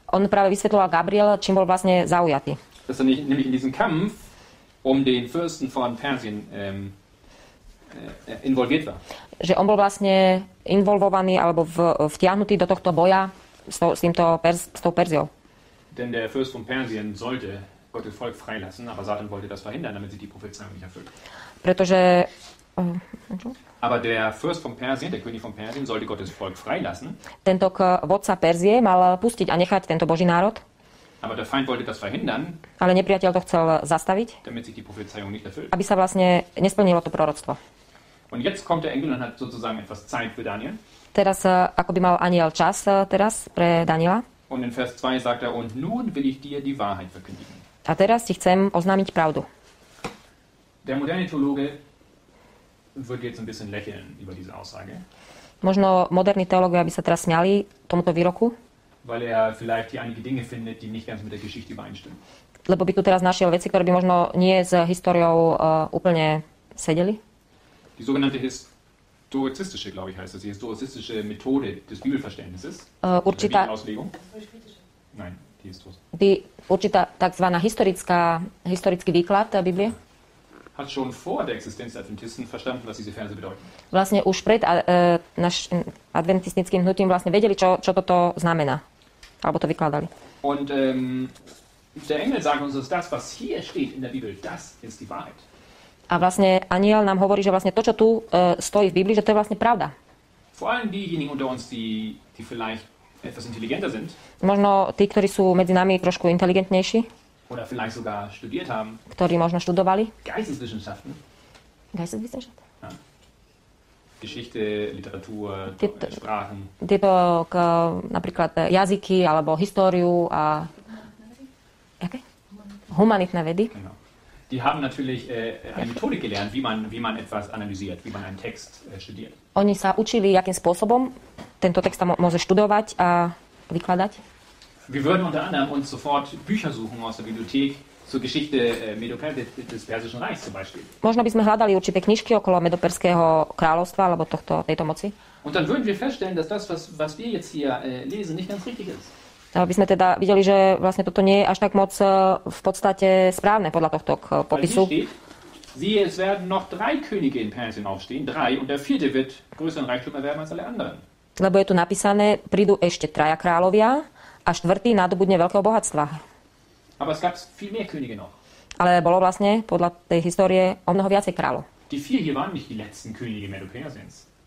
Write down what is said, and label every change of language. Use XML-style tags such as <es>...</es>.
<sk>On práve vysvetľoval Gabriel, čím bol vlastne zaujatý.</sk> <de>Dass er nicht, nämlich in diesem Kampf um den Fürsten von Persien involviert war.</de> <sk>Že on bol vlastne involvovaný alebo vtiahnutý do tohto boja s tou Perziou.</sk> <de>Denn der Fürst von Persien sollte Gottes Volk freilassen, aber Satan wollte das verhindern, damit sie die Prophezeiung nicht erfüllt.</de> <sk>Pretože</sk> <de>Aber der Fürst von Persien, der König von Persien, sollte Gottes Volk freilassen.</de> <sk>Tento vodca Perzie mal pustiť a nechať tento Boží národ.</sk> <de>Aber der Feind wollte das verhindern.</de> <sk>Ale nepriateľ to chcel zastaviť.</sk> <de>Damit sich die Prophezeiung nicht erfüllt.</de> <sk>Aby sa vlastne nesplnilo to proroctvo.</sk> <de>Und jetzt kommt der Engel und hat sozusagen etwas Zeit für Daniel.</de> <sk>Teraz akoby mal aniel čas teraz pre Daniela.</sk> <de>Und in Vers 2 sagt er, und nun will ich dir die Wahrheit verkündigen.</de> <sk>A teraz ti chcem oznámiť pravdu.</sk> <de>Der moderne Theologe würde jetzt ein bisschen lächeln über diese Aussage.</de> <sk>Možno moderní teológovia by sa teraz smiali tomuto výroku.</sk> <de>Weil er vielleicht hier einige Dinge findet, die nicht ganz mit der Geschichte übereinstimmen.</de> <sk>Lebo by tu teraz našiel veci, ktoré by možno nie s históriou úplne sedeli.</sk> <de>Die sogenannte historizistische, glaube ich, heißt das. Die historizistische Methode des Bibelverständnisses.</de> <sk>Určitá</sk> <de>Auslegung. Nein, die historische.</de> <sk>Die určitá takzvaná historický výklad Biblie.</sk> <de>Hat schon vor der Existenz der Adventisten verstanden, was diese Verse bedeuten.</de> <sk>Vlastne už pred našim adventistickým hnutím vlastne vedeli, čo toto znamená. Alebo to vykladali.</sk> <de>Und der Engel sagt uns, dass das, was hier steht in der Bibel, das ist die Wahrheit.</de> <sk>A vlastne anjel nám hovorí, že vlastne to, čo tu stojí v Biblii, že to je vlastne pravda.</sk> <de>Vor allem diejenigen unter uns, die vielleicht etwas intelligenter sind.</de> <sk>Možno tí, ktorí sú medzi nami trošku inteligentnejší.</sk> <de>Oder vielleicht sogar studiert haben.</de> <sk>Ktorí možno študovali.</sk> <de>Geisteswissenschaften. Geisteswissenschaften. Ja. Geschichte, Literatur, Sprachen.</de> <sk>Tieto napríklad jazyky, alebo históriu a... Jaké? Humanitné vedy.</sk> <de>Genau. Die haben natürlich eine Methode gelernt, wie man etwas analysiert, wie man einen Text studiert.</de> <sk>Oni sa učili, akým spôsobom tento text môže študovať a vykladať.</sk> <de>Wir würden unter anderem uns sofort Bücher suchen aus der Bibliothek zur Geschichte des Persischen Reichs zum Beispiel.</de> <sk>Možno by sme hľadali určité knižky okolo Medoperského kráľovstva alebo tohto tejto moci.</sk> <de>Und dann würden wir feststellen, dass das, was wir jetzt hier lesen, nicht ganz richtig ist.</de> <sk>Aby by sme teda videli, že vlastne toto nie je až tak moc v podstate správne podľa tohto popisu.</sk> <de>Siehe, es werden noch drei Könige in Persien aufstehen, drei, und der vierte wird größeren Reichtum erwerben als alle anderen.</de> <sk>Lebo je tu napísané, prídu ešte traja kráľovia a štvrtý nadobudne veľkého bohatstva.</sk> <de>Aber es gab viel mehr Könige noch.</de> <sk>Ale bolo vlastne podľa tej histórie o mnoho viacej kráľov.</sk> <de>Die vier hier waren nicht die letzten Könige Medo-Persiens.</de>